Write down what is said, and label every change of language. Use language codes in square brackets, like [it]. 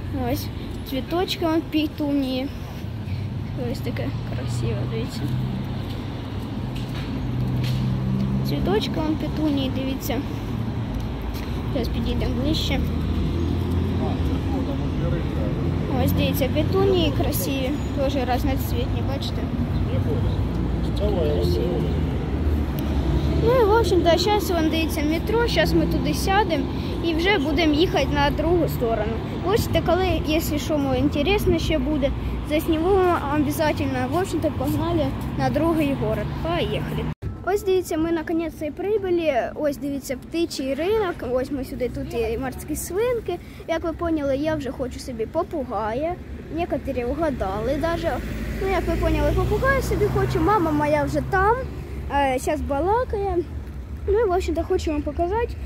[ru] Ось. Цветочки вон петунии. Ось такая красивая, дивіться. Цветочки вон петунии, дивіться. Сейчас підійдем ближче. Ось, дивіться, петунии красивые. Тоже разноцветные, бачите? Ну и, в общем-то, сейчас вон, дивіться, метро. Сейчас мы туда сядем. [uk] І вже будемо їхати на другу сторону. Ось так, але, якщо що, мені цікаво ще буде, заснімемо обов'язково. [ru] В общем-то, погнали на другий город. [uk] Поїхали. Ось, дивіться, ми наконець-то і прибули. Ось, дивіться, птичий ринок. Ось ми сюди, тут є і морські свинки. Як ви поняли, я вже хочу собі попугая. Некоторі вгадали навіть. Ну, як ви поняли, попугая собі хочу. Мама моя вже там. Зараз балакає. Ну і, в общем-то, хочу вам показати.